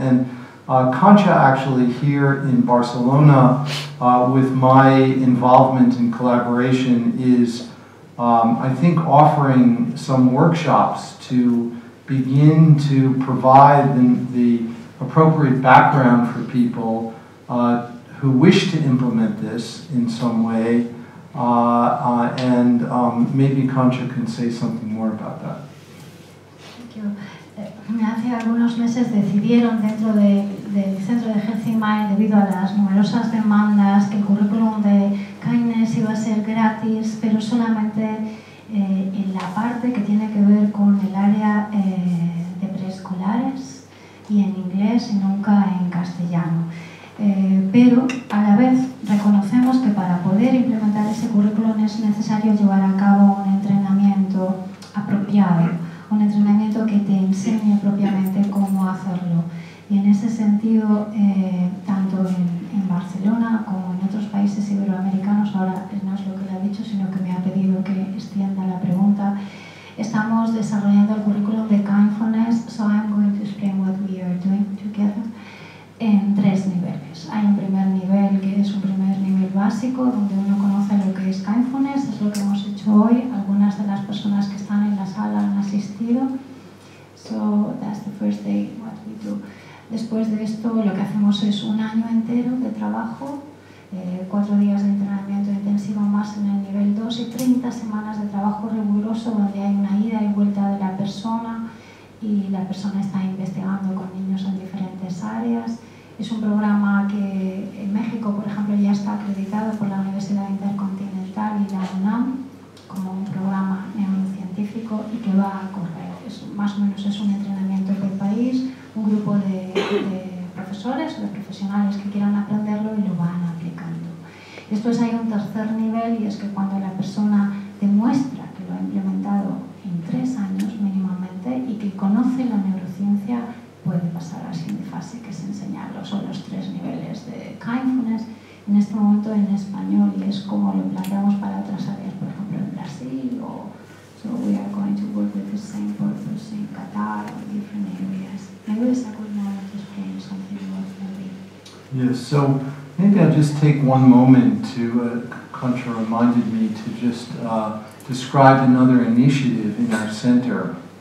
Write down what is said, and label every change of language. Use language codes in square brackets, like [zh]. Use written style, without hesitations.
[en] And Koncha actually here in Barcelona, with my involvement and collaboration, is I think offering some workshops to begin to provide the appropriate background for people who wish to implement this in some way, and maybe Koncha can say something more about that. Thank you. [es] Hace algunos meses decidieron dentro del Centro de Healthy Mind, debido a las numerosas demandas, que el currículum de Kindness iba a ser gratis, pero solamente en la parte que tiene que ver con el área de preescolares y en inglés y nunca en castellano. Pero a la vez reconocemos que para poder implementar ese currículum es necesario llevar a cabo un entrenamiento apropiado, un entrenamiento que te enseñe propiamente cómo hacerlo. Y en ese sentido, tanto en Barcelona como en otros países iberoamericanos, ahora no es lo que le ha dicho, sino que me ha pedido que extienda la pregunta, estamos desarrollando el currículum de Kindfulness, [en] so I'm going to explain what we are doing together, [es] en tres niveles. Hay un primer nivel que es un primer nivel básico, donde uno conoce lo que es Kindfulness, es lo que hemos hecho hoy, algunas de las personas que están en la sala han asistido. [en] So that's the first day, what we do. [es] Después de esto, lo que hacemos es un año entero de trabajo, 4 días de entrenamiento intensivo más en el nivel 2 y 30 semanas de trabajo riguroso donde hay una ida y vuelta de la persona y la persona está investigando con niños en diferentes áreas. Es un programa que en México, por ejemplo, ya está acreditado por la Universidad Intercontinental y la UNAM como un programa neurocientífico y que va a correr. Es, más o menos es un entrenamiento por país, un grupo de profesores o de profesionales que quieran aprenderlo y lo van aplicando. Después hay un tercer nivel y es que cuando la persona demuestra que lo ha implementado en 3 años mínimamente y que conoce la neurociencia, puede pasar a la siguiente fase, que es enseñarlo. Son los 3 niveles de Kindfulness. En este momento en español y es como lo planteamos para otras áreas, por ejemplo en Brasil o... [en] So we are going to work with the same purpose in Qatar or different areas. Maybe it's a good moment to explain something about maybe. Yes, so maybe I'll just take one moment to, Koncha reminded me to just describe another initiative in our center.